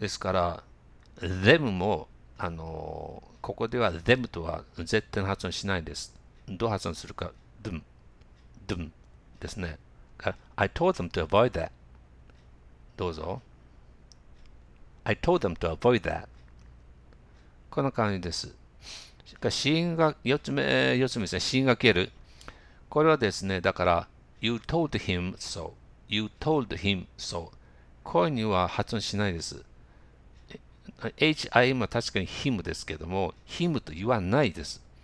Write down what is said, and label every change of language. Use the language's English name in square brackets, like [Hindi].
[Japanese] ですから、them も、ここでは them とは絶対に発音しないです。どう発音するか、them、them ですね。 [English] I told them to avoid that. [Japanese] どうぞ。 [English] I told them to avoid that. [Japanese] こんな感じです。死因が、四つ目ですね、死因が消える。これはですね、だから、 You told him so. [English] You told him so. [Japanese] 声には発音しないです。H-I-M は確かに him ですけども、him と言わないです。